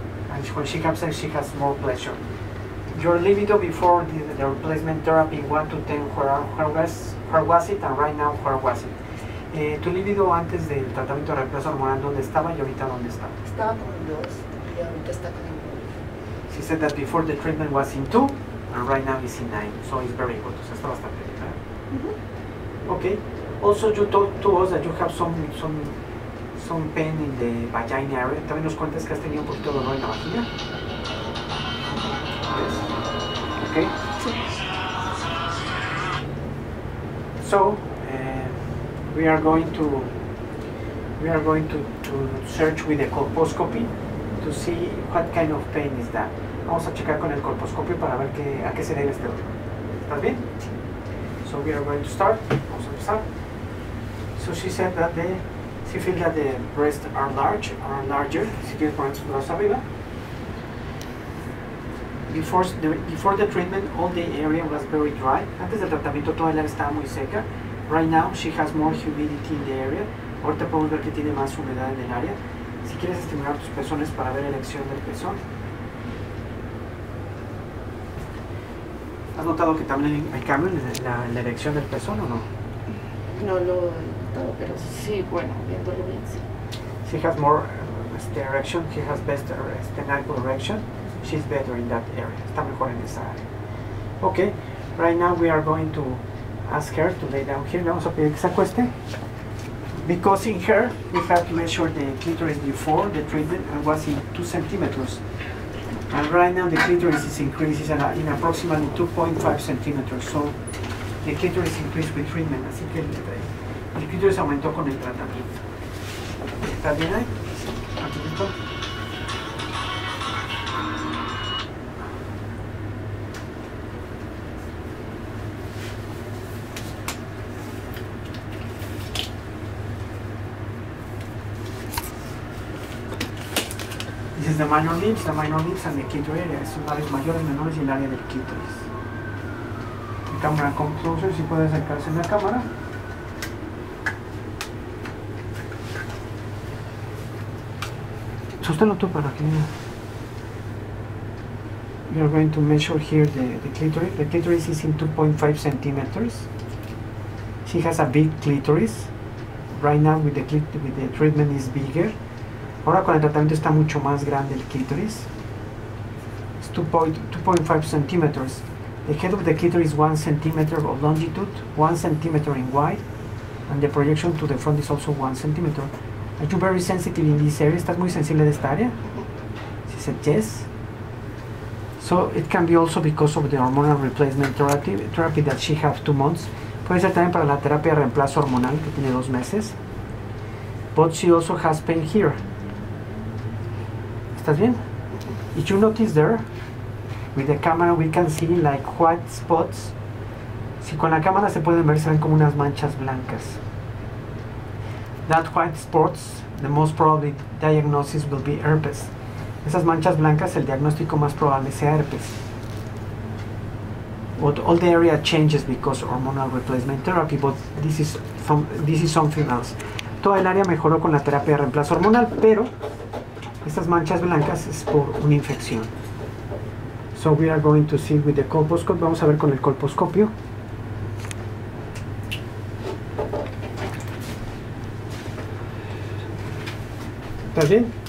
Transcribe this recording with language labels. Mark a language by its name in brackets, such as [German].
[English] And when she comes in, she has more pleasure. Your libido before the replacement therapy, 1 to 10, where was it? And right now, where was it? [Spanish] Tu libido antes del tratamiento de reemplazo hormonal, ¿dónde estaba y ahorita dónde está? Estaba con 2 y ahorita está con 1. [English] She said that before the treatment was in 2 and right now it's in 9. So it's very good. [Spanish] O sea, está bastante bien, ¿eh? [English] Mm-hmm. Okay. Also, you talked to us that you have some pain in the vagina area. [Spanish] ¿También nos cuentas que has tenido un poquito de dolor en la vagina? [English] Yes. Okay. [Spanish] Sí. [English] So, we are going to search with the colposcopy to see what kind of pain is that. [Spanish] Vamos a checar con el colposcopio para ver a qué se debe este dolor. ¿Estás bien? Sí. [English] So we are going to start. [Spanish] Vamos a empezar. [English] So she said that the si feel that the breasts are large or larger, [Spanish] si quieres poner tus brazos arriba. [English] Before the treatment, all the area was very dry. [Spanish] Antes del tratamiento, toda el área estaba muy seca. [English] Right now, she has more humidity in the area. [Spanish] Ahorita podemos ver que tiene más humedad en el área. Si quieres estimular tus pezones para ver elección del pezón. ¿Has notado que también hay cambio en la elección del pezón o no? No lo he notado, pero sí, bueno, viéndolo bien, sí. [English] She has more erection, she has better erection. She's better in that area. [Spanish] Está mejor en esa área. [English] Okay, right now we are going to ask her to lay down here. [Spanish] Le vamos a pedir que se acueste. [English] Because in her, we have measured the clitoris before the treatment and was in 2 centimeters. And right now the clitoris is increases in approximately 2.5 centimeters. So the clitoris increased with treatment. [Spanish] Así que el clítoris aumentó con el tratamiento. ¿Está bien ahí? Sí. ¿Está bien? [English] This is the minor lips and the clitoris area. [Spanish] Son labios mayores, menores y el área del clítoris. Cámara con closer, si puede acercarse en la cámara. Sosténlo tú para que mira. [English] We are going to measure here the clitoris. The clitoris is in 2.5 centimeters. She has a big clitoris. Right now with the treatment is bigger. [Spanish] Ahora con el tratamiento está mucho más grande el clitoris. [English] It's 2.5 centimeters. The head of the clitoris is 1 centimeter of longitude, 1 centimeter in wide, and the projection to the front is also 1 centimeter. Are you very sensitive in this area? [Spanish] ¿Estás muy sensible de esta área? [English] She said yes. So it can be also because of the hormonal replacement therapy that she has 2 months. [Spanish] Puede ser también para la terapia de reemplazo hormonal que tiene 2 meses. [English] But she also has pain here. [Spanish] ¿Estás bien? [English] Did you notice there? With the camera we can see like white spots. [Spanish] Si con la cámara se pueden ver, se ven como unas manchas blancas. [English] That white spots, the most probable diagnosis will be herpes. [Spanish] Esas manchas blancas, el diagnóstico más probable sea herpes. [English] But all the area changes because hormonal replacement therapy, but this is something else. [Spanish] Toda el área mejoró con la terapia de reemplazo hormonal, pero estas manchas blancas es por una infección. [English] So we are going to see with the colposcopy. [Spanish] Vamos a ver con el colposcopio. ¿Está bien?